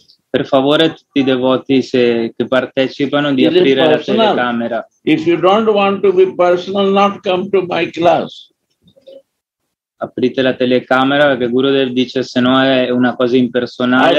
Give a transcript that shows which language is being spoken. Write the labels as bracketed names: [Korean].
[Italian] Per favore, tutti i devoti che partecipano di aprire la telecamera. [English] If you don't want to be personal, not come to my class. [Italian] Aprite la telecamera, perché Gurudev dice se no è una cosa impersonale.